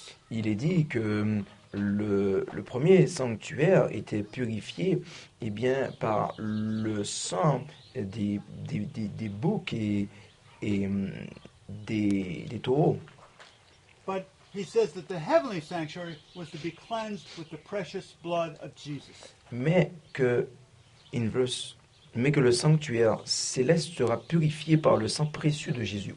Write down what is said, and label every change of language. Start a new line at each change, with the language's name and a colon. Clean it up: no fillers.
French: Il est dit que le premier sanctuaire était purifié eh bien, par le sang des boucs et des taureaux.
English: But he says that the heavenly sanctuary was to be cleansed with the precious blood of Jesus.
French: Mais que le sanctuaire céleste sera purifié par le sang précieux de Jésus.